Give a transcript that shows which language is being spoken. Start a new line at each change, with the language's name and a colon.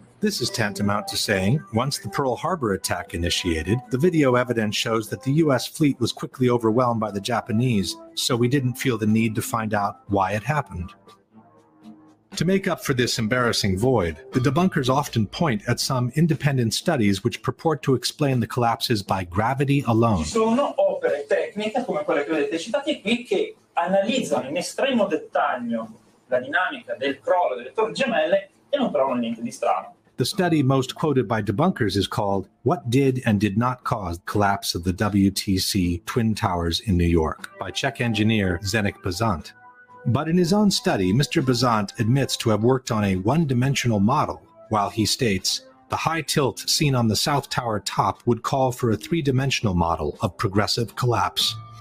English: This is tantamount to saying, once the Pearl Harbor attack initiated, the video evidence shows that the U.S. fleet was quickly overwhelmed by the Japanese, so we didn't feel the need to find out why it happened. To make up for this embarrassing void, the debunkers often point at some independent studies which purport to explain the collapses by gravity alone.
Italian: Ci sono opere tecniche come quelle che vedete citate qui che analizzano in estremo dettaglio la dinamica del crollo delle torri gemelle e non trovano niente di strano.
English: The study most quoted by debunkers is called "What Did and Did Not Cause Collapse of the WTC Twin Towers in New York" by Czech engineer Zdeněk Bazant. But in his own study, Mr. Bazant admits to have worked on a one-dimensional model, while he states, "The high tilt seen on the South Tower top would call for a three-dimensional model of progressive collapse."